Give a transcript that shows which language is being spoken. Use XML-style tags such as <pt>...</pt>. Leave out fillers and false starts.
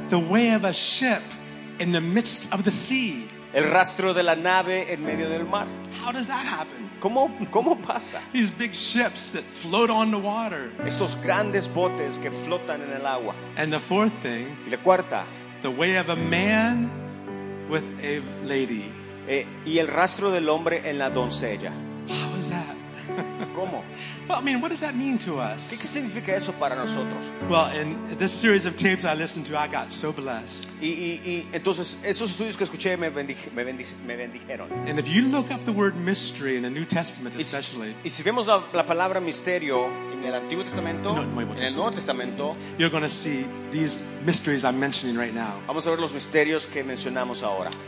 <en>The way of a ship in the midst of the sea.</en> <es>El rastro de la nave en medio del mar.</es> <en>How does that happen?</en> <es>¿Cómo pasa?</es> <en>These big ships that float on the water.</en> <es>Estos grandes botes que flotan en el agua.</es> <en>And the fourth thing.</en> <es>Y la cuarta.</es> <en>The way of a man with a lady.</en> <es>Y el rastro del hombre en la doncella.</es> <en>How is that?</en> <es>¿Cómo?</es> <en>Well, I mean, what does that mean to us?</en> <es>¿Qué significa eso para nosotros?</es> <en>Well, in this series of tapes I listened to, I got so blessed.</en> <es>Y entonces esos estudios que escuché me bendijeron.</es> <en>And if you look up the word mystery in the New Testament, especially.</en> <es>Y si vemos la palabra misterio en el Antiguo Testamento, en el Nuevo Testamento,</es> <en>you're going to see these mysteries I'm mentioning right now.</en> <es>Vamos a ver los misterios que mencionamos ahora.</es>